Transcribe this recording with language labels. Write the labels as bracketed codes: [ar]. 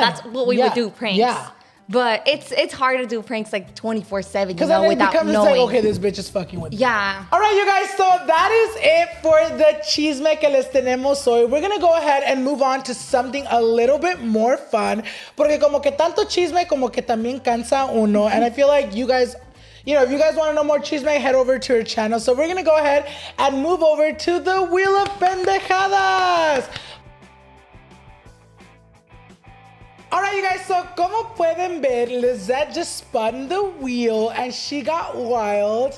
[en] That's what we would do, pranks. Yeah. But it's hard to do pranks like 24/7, you know, without knowing. Because then it becomes like, okay, this bitch is fucking with me. Yeah. All right, you guys. So that is it for the [es] chisme que les tenemos hoy. [en] We're going to go ahead and move on to something a little bit more fun. [es] Porque como que tanto chisme como que también cansa uno. [en] And I feel like you guys, you know, if you guys want to know more chisme, head over to her channel. So we're going to go ahead and move over to the Wheel of Pendejadas. All right, you guys, so [es] como pueden ver, [en] Lizeth just spun the wheel and she got wild.